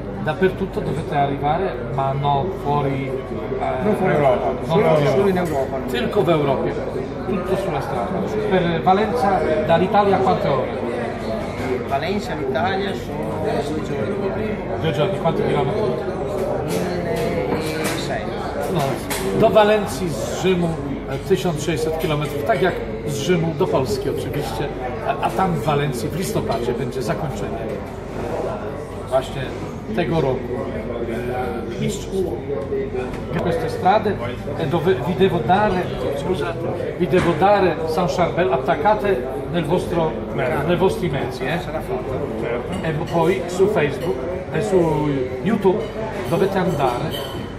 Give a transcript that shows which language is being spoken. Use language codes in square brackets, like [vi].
[it] dappertutto dovete arrivare, ma no, fuori, non fuori Europa, non solo in Europa, Europa. Circo d'Europa, tutto sulla strada. Per Valencia, dall'Italia a quante ore? Valencia, l'Italia sono 2 giorni. 2 giorni, quanti chilometri? 1600. [pl] No, do Valencji z Rzymu 1600 km, tak jak z Rzymu do Polski oczywiście, a tam w Walencji w listopadzie będzie zakończenie właśnie tego roku mistrzostw. [it] Queste strade dove vi devo dare, scusate, vi devo dare San Charbel, attaccate nel vostro, nei vostri mezzi, eh? E poi su Facebook e su YouTube dovete andare.